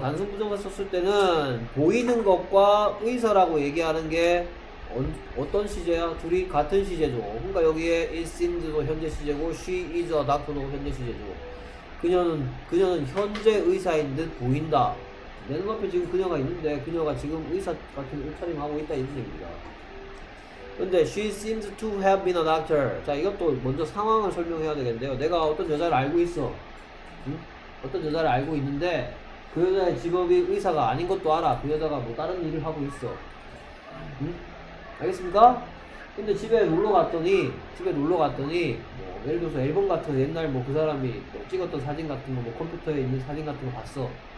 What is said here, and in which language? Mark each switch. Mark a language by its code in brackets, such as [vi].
[ko] 단순 부정사 썼을 때는 보이는 것과 의사라고 얘기하는 게 어떤 시제야? 둘이 같은 시제죠. 그러니까 여기에 it seems도 현재 시제고 she is a doctor도 현재 시제죠. 그녀는 현재 의사인 듯 보인다. 내 눈앞에 지금 그녀가 있는데 그녀가 지금 의사 같은 옷차림하고 있다 이런 얘기입니다. 근데 [en] she seems to have been a doctor. [ko] 자, 이것도 먼저 상황을 설명해야 되겠는데요. 내가 어떤 여자를 알고 있어. 응? 어떤 여자를 알고 있는데 그 여자의 직업이 의사가 아닌 것도 알아. 그 여자가 뭐 다른 일을 하고 있어. 응? 알겠습니까? 근데 집에 놀러 갔더니 뭐 예를 들어서 앨범 같은 옛날 뭐 그 사람이 뭐 찍었던 사진 같은 거 뭐 컴퓨터에 있는 사진 같은 거 봤어.